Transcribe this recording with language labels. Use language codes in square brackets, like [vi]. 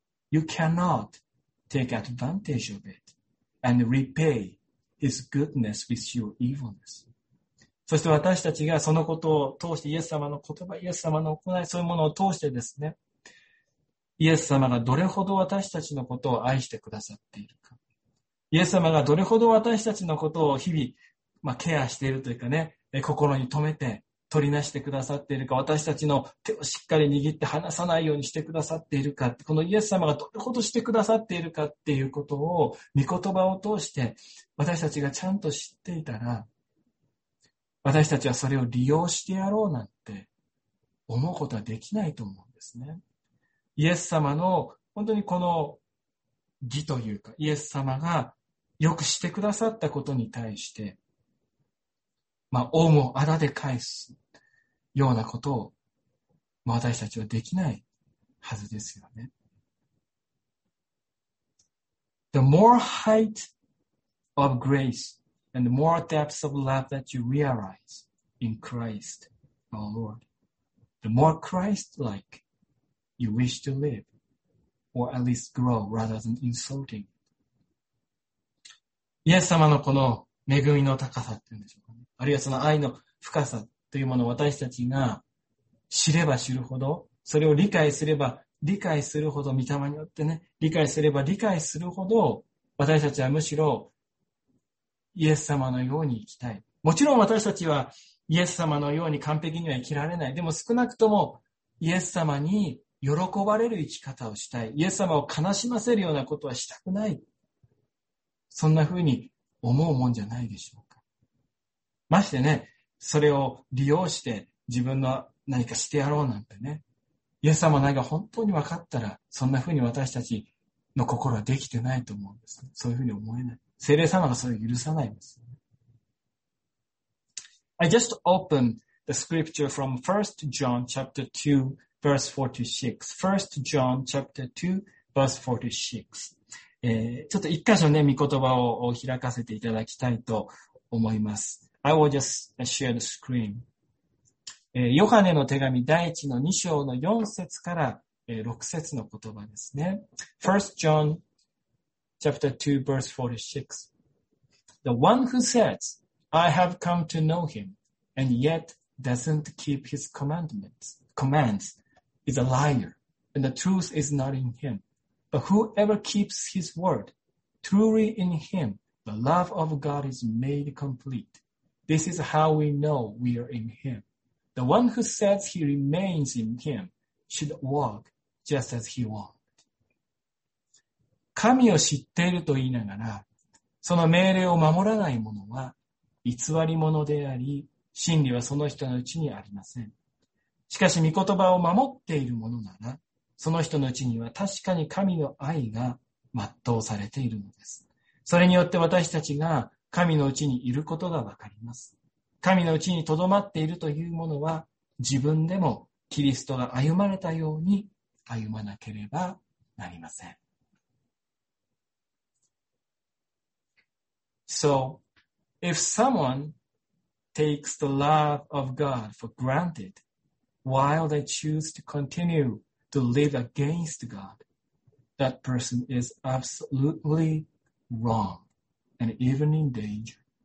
[en] You cannot take advantage of it and repay his goodness with your evilness. [ja] そして私たちがそのことを通して、イエス様の言葉、イエス様の行い、そういうものを通してですね、イエス様がどれほど私たちのことを愛してくださっているか、イエス様がどれほど私たちのことを日々、まあ、ケアしているというかね、心に留めて、取りなしてくださっているか、私たちの手をしっかり握って離さないようにしてくださっているか、このイエス様がどれほどしてくださっているかっていうことを、御言葉を通して私たちがちゃんと知っていたら、私たちはそれを利用してやろうなんて思うことはできないと思うんですね。イエス様の本当にこの義というか、イエス様がよくしてくださったことに対して、まあ、恩をあだで返すようなことを、まあ、私たちはできないはずですよね。 [en] The more height of grace and the more depths of love that you realize in Christ, our Lord, the more Christ-like you wish to live, or at least grow rather than insulting. [ja] イエス様のこの恵みの高さっていうんでしょうかね。あるいはその愛の深さというものを私たちが知れば知るほど、それを理解すれば理解するほど、御霊によってね、理解すれば理解するほど、私たちはむしろイエス様のように生きたい。もちろん私たちはイエス様のように完璧には生きられない。でも少なくともイエス様に喜ばれる生き方をしたい。イエス様を悲しませるようなことはしたくない。そんな風に思うもんじゃないでしょうか。ましてね、それを利用して自分の何かしてやろうなんてね、イエス様の愛が本当に分かったら、そんな風に私たちの心はできてないと思うんです。そういう風に思えない。聖霊様がそれを許さないんです。 [en] I just opened the scripture from 1 John chapter 2 verse 46. 1 John chapter 2 verse 46. [ja] ちょっと一箇所ね、御言葉を開かせていただきたいと思います。 [en] I will just share the screen.、 [ja] ヨハネの手紙第一の2章の4節から、6節の言葉ですね。 [en] 1 John chapter 2 verse 46. The one who says, I have come to know him and yet doesn't keep his commands is a liar and the truth is not in him. But whoever keeps his word, truly in him, the love of God is made complete. This is how we know we are in him. The one who says he remains in him should walk just as he walked. [ja] 神を知っていると言いながら、その命令を守らない者は偽り者であり、真理はその人のうちにありません。しかし御言葉を守っている者なら、その人のうちには確かに神の愛が全うされているのです。それによって私たちが神のうちにいることがわかります。神のうちに留まっているというものは自分でもキリストが歩まれたように歩まなければなりません。 [en] So, if someone takes the love of God for granted while they choose to continueTo live against God, that person is absolutely wrong and even in danger.